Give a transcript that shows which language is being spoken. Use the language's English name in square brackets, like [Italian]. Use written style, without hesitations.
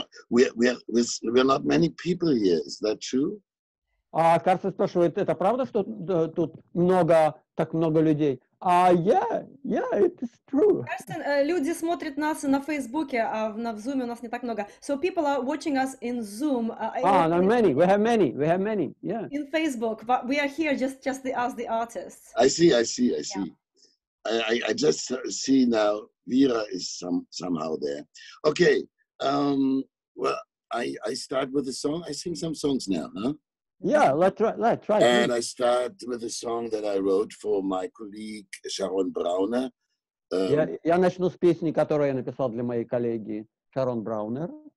[English] We're not many people here. Is that true? [Russian] Карстен спрашивает, это правда, что тут много, так много людей? [English] Yeah, it is true. [Russian] Карстен, люди смотрят нас на Фейсбуке, а в Зуме у нас не так много. [English] So people are watching us in Zoom. We have many, yeah. In Facebook, but we are here just the, as the artists. I see. I just see now Vira is somehow there. Okay, well, I start with a song. I sing some songs now, huh? Yeah, let's try. And I start with a song that I wrote for my colleague Sharon Brauner, [Russian] Я начну с песни, которую я написал для моей коллеги Шарон Браунер.